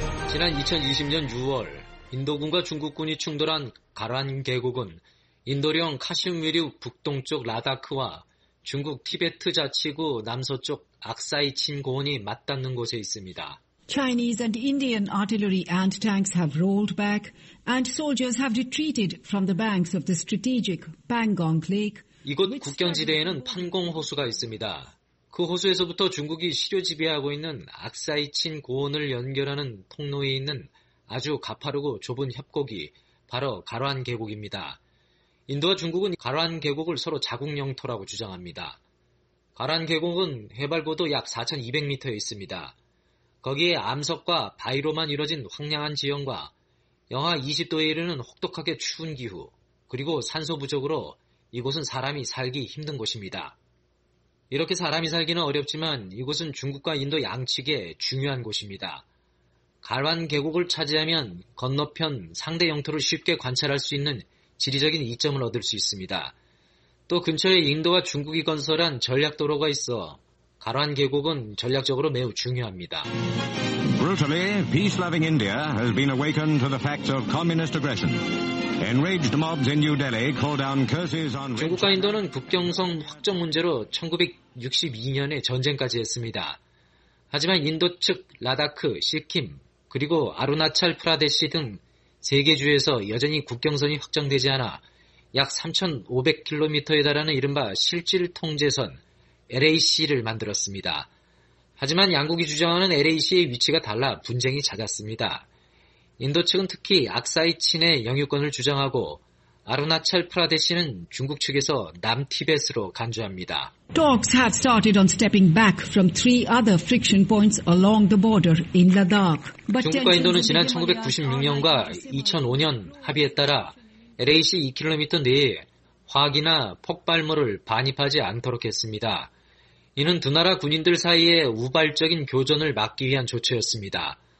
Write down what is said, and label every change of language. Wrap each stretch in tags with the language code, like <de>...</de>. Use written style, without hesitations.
<ko>지난 2020년 6월 인도군과 중국군이 충돌한 가르완 계곡은 인도령 카슈미르 북동쪽 라다크와 중국 티베트 자치구 남서쪽 악사이 친고원이 맞닿는 곳에 있습니다.</ko> <en>Chinese and Indian artillery and tanks have rolled back and soldiers have retreated from the banks of the strategic Pangong Lake.</en> <ko>이곳 국경지대에는 판공 호수가 있습니다. 그 호수에서부터 중국이 실효 지배하고 있는 악사이 친고원을 연결하는 통로에 있는 아주 가파르고 좁은 협곡이 바로 가르완 계곡입니다. 인도와 중국은 가르완 계곡을 서로 자국 영토라고 주장합니다. 가르완 계곡은 해발 고도 약 4,200m에 있습니다. 거기에 암석과 바위로만 이루어진 황량한 지형과 영하 20도에 이르는 혹독하게 추운 기후, 그리고 산소 부족으로 이곳은 사람이 살기 힘든 곳입니다. 이렇게 사람이 살기는 어렵지만 이곳은 중국과 인도 양측의 중요한 곳입니다. 가르완 계곡을 차지하면 건너편 상대 영토를 쉽게 관찰할 수 있는 지리적인 이점을 얻을 수 있습니다. 또 근처에 인도와 중국이 건설한 전략도로가 있어 가르완 계곡은 전략적으로 매우 중요합니다.</ko> <en>Brutally, peace-loving India has been awakened to the facts of communist aggression. Enraged mobs in New Delhi call down curses on...</en> <ko>중국과 인도는 국경선 확정 문제로 1962년에 전쟁까지 했습니다. 하지만 인도 측 라다크, 시킴, 그리고 아루나찰 프라데시 등 세계 주에서 여전히 국경선이 확정되지 않아 약 3,500km에 달하는 이른바 실질통제선 LAC를 만들었습니다. 하지만 양국이 주장하는 LAC의 위치가 달라 분쟁이 잦았습니다. 인도 측은 특히 악사이 친의 영유권을 주장하고 아루나찰 프라데시는 중국 측에서 남티벳으로 간주합니다.</ko> <en>Talks had started on stepping back from three other friction points along the border in Ladakh.</en> <ko>중국과 인도는 지난 1996년과 2005년 합의에 따라 LAC 2km 내에 화학이나 폭발물을 반입하지 않도록 했습니다. 이는 두 나라 군인들 사이의 우발적인 교전을 막기 위한 조치였습니다.</ko>